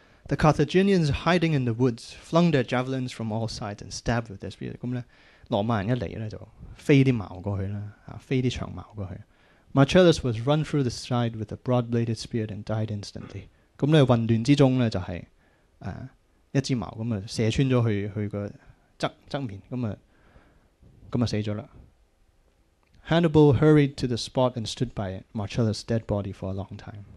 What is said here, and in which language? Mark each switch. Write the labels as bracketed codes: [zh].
[en] The Carthaginians hiding in the woods flung their javelins from all sides and stabbed with their spears， 咁咧。 [yue] 羅馬人一嚟咧就飛啲矛過去啦，啊飛啲長矛過去。 [en] Marcellus was run through the side with a broad-bladed spear and died instantly。 [yue] 咁咧混亂之中咧就係、是、一支矛咁啊射穿咗佢個側面，咁啊死咗啦。 [en] Hannibal hurried to the spot and stood by Marcellus' dead body for a long time。